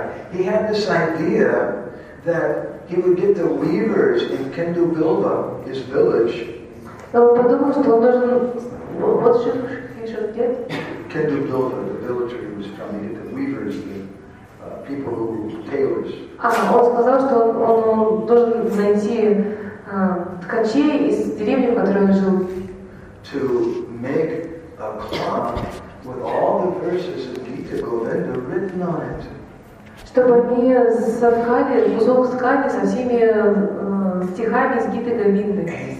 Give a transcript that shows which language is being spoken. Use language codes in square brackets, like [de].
[en] He had this idea that he would get the weavers in Kendu Bilba, his village. [ru] Он подумал, что он должен вот что делать. [en] Kendu Bilba, the village where he was from, he had the weavers, the people who were tailors. [ru] А он сказал, что он должен найти ткачей из деревни, в которой он жил. [en] To make a cloth. With all the verses of Gita Govinda written on it. [ru] Чтобы они соткали кусок ткани со всеми стихами из Гиты Говинды.